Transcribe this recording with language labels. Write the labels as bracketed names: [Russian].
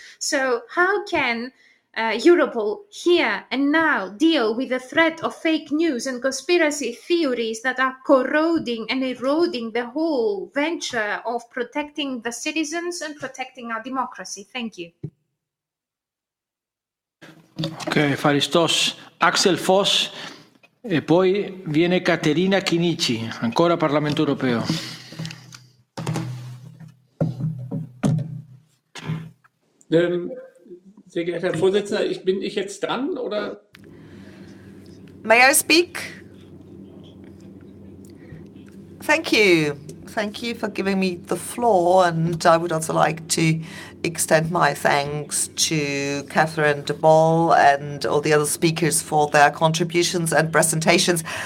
[English] So how can Europol here and now deal with the threat of fake news and conspiracy theories that are corroding and eroding the whole venture of protecting the citizens and protecting our democracy? Thank you. [Italian] Ok, Faristos, Axel Voss e poi viene Caterina Chinnici, ancora Parlamento Europeo. [German] Sehr geehrter Herr Vorsitzender, bin ich jetzt dran, oder? [English] May I speak? Thank you. Thank you for giving me the floor, and I would also like to extend my thanks to Catherine de Bol and all the other speakers for their contributions and presentations.